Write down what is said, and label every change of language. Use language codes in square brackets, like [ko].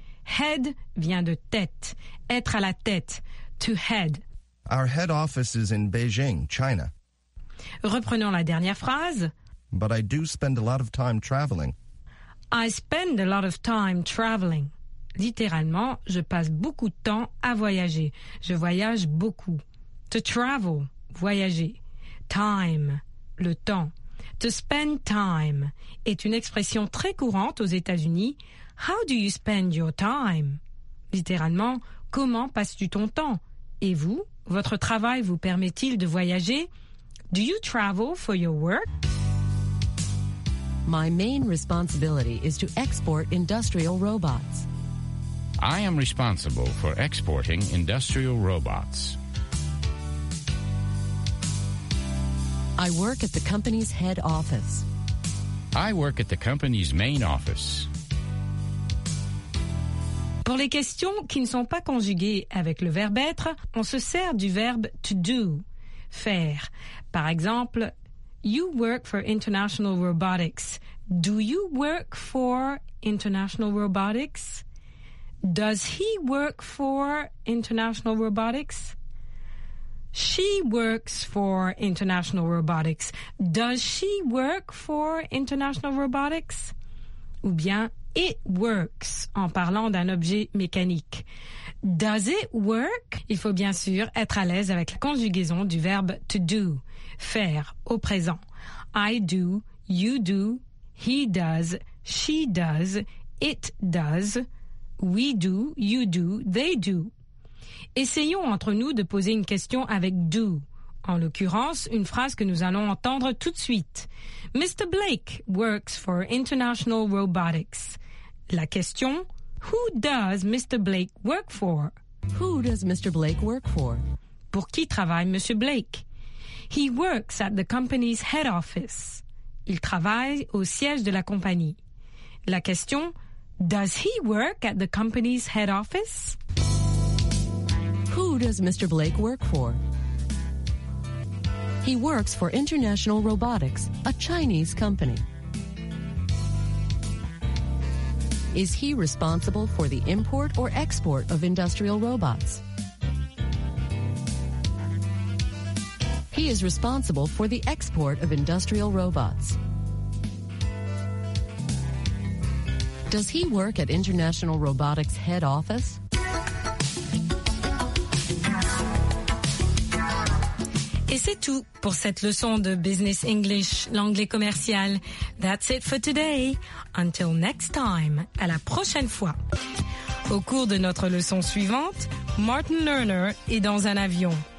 [fr] Head vient de tête, être à la tête, to head. [en] Our head office is in Beijing, China. [fr] Reprenons la dernière phrase. [en] But I do spend a lot of time traveling. I spend a lot of time traveling. [fr] Littéralement, je passe beaucoup de temps à voyager. Je voyage beaucoup. [en] To travel, voyager. Time, le temps. To spend time [fr] est une expression très courante aux États-Unis. [en] How do you spend your time? [fr] Littéralement, comment passes-tu ton temps? Et vous, votre travail vous permet-il de voyager? [en] Do you travel for your work? My main responsibility is to export industrial robots. I am responsible for exporting industrial robots. I work at the company's head office. I work at the company's main office. [fr] Pour les questions qui ne sont pas conjuguées avec le verbe être, on se sert du verbe to do, faire. Par exemple, [en] you work for International Robotics. Do you work for International Robotics? Does he work for International Robotics? She works for International Robotics. Does she work for International Robotics? [fr] Ou bien, [en] it works, [fr] en parlant d'un objet mécanique. [en] Does it work? [fr] Il faut bien sûr être à l'aise avec la conjugaison du verbe to do, faire, au présent. [en] I do, you do, he does, she does, it does, we do, you do, they do. [fr] Essayons entre nous de poser une question avec « do ». En l'occurrence, une phrase que nous allons entendre tout de suite. [en] « Mr. Blake works for International Robotics ». [fr] La question [en] « Who does Mr. Blake work for ?»« Who does Mr. Blake work for ?» [fr] Pour qui travaille Monsieur Blake ?« [en] He works at the company's head office ». [fr] Il travaille au siège de la compagnie. La question [en] « Does he work at the company's head office ?» Who does Mr. Blake work for? He works for International Robotics, a Chinese company. Is he responsible for the import or export of industrial robots? He is responsible for the export of industrial robots. Does he work at International Robotics head office? [fr] Et c'est tout pour cette leçon de Business English, l'anglais commercial. [en] That's it for today. Until next time, [fr] à la prochaine fois. Au cours de notre leçon suivante, Martin Lerner est dans un avion.